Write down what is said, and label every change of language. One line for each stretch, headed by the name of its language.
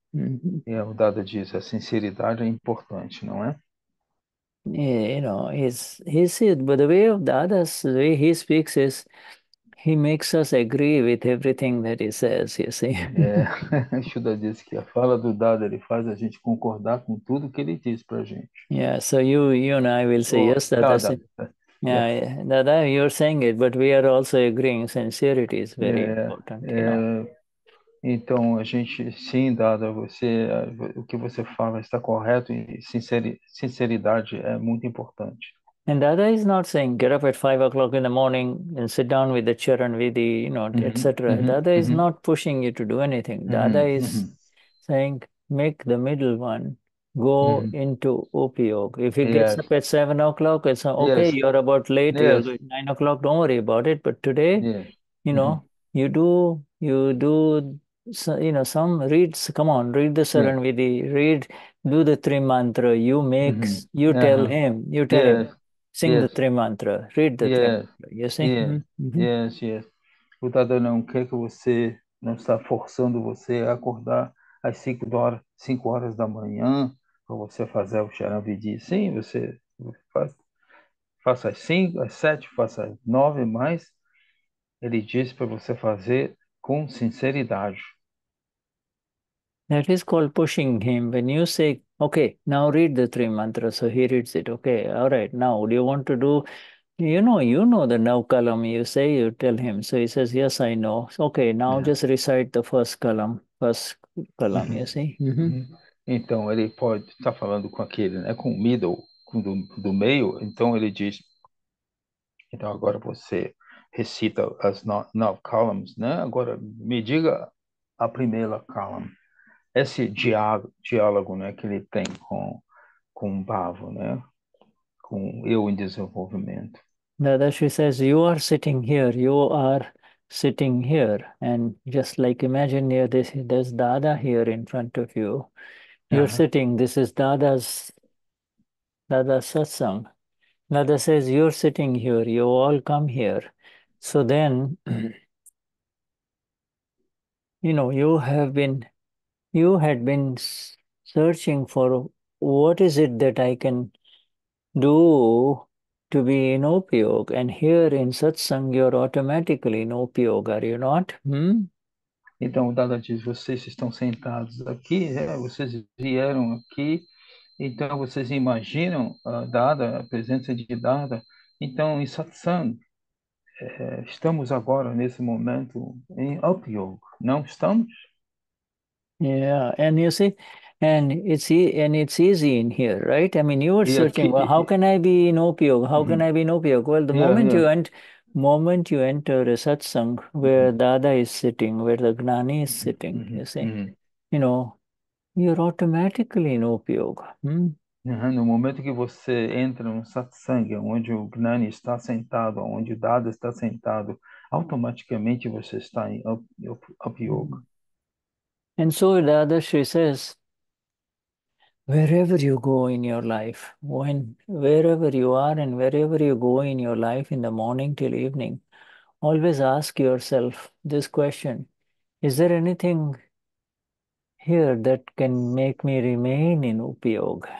Portuguese: E o Dada diz, a sinceridade é importante, não é?
English: But the way of Dada's, the way he speaks is, he makes us agree with everything that he says, you see.
Portuguese: É, Shuda disse que a fala do Dada ele faz a gente concordar com tudo que ele diz para a gente.
English: Yeah, so you and I will say, Oh, yes, Dada's. Dada, yes. Yeah, Dada, you're saying it, but we are also agreeing, sincerity is very
Portuguese: É,
English: important,
Portuguese: então a gente, sim, Dada, o que você fala está correto e sinceridade é muito importante.
English: And Dada is not saying get up at 5 o'clock in the morning and sit down with the Charan Vidhi, etc. Dada is not pushing you to do anything. Dada is saying make the middle one go into Upi Yoga. If he gets up at 7 o'clock, it's okay, you're about late, you're going 9 o'clock, don't worry about it. But today, you do some reads, come on, read the Charan Vidhi, read, do the three mantra, you tell him. Sing the three mantra, read the three mantra, you see?
Portuguese: O Dada não quer que você, não está forçando você a acordar às 5 horas da manhã para você fazer o Charan Vidhi. Sim, você faça às 5, às 7, faça às 9, mas ele disse para você fazer com sinceridade.
English: That is called pushing him. When you say, okay, now read the three mantras. So he reads it. Okay, all right. Now, do you want to do, the Navkalam, you say, you tell him. So he says, yes, I know. So, okay, now just recite the first column, you see.
Portuguese: Então ele pode estar falando com aquele, né, com o middle, com do meio. Então ele diz: então agora você recita as nove columns, né? Agora me diga a primeira column, esse diálogo, né, que ele tem com o Bhavo, né, com eu em desenvolvimento.
English: Dada, she says, you are sitting here, and just like imagine here, there's Dada here in front of you. You're sitting, this is Dada's satsang. Dada says, you're sitting here, you all come here. So then, you had been searching for what is it that I can do to be in Op Yoga, and here in Satsang, you're automatically in Op Yoga, are you not?
Portuguese: Então, o Dada diz: vocês estão sentados aqui, né? Vocês vieram aqui, então vocês imaginam a presença de Dada. Então, em Satsang, estamos agora nesse momento em Up Yoga, não estamos?
English: Yeah, and you see. And it's easy in here, right? I mean, you were
Portuguese: E
English: searching, well, how
Portuguese: aqui.
English: can I be in Op Yoga? How can I be in Op Yoga? Well, the moment you enter a satsang where Dada is sitting, where the Gnani is sitting, you see, you're automatically in Op Yoga.
Portuguese: No momento que você entra no satsang, onde o Gnani está sentado, onde o Dada está sentado, automaticamente você está em up yoga.
English: And so Radha Shri says, wherever you go in your life, when wherever you are and wherever you go in your life in the morning till evening, always ask yourself this question: is there anything here that can make me remain in upyoga?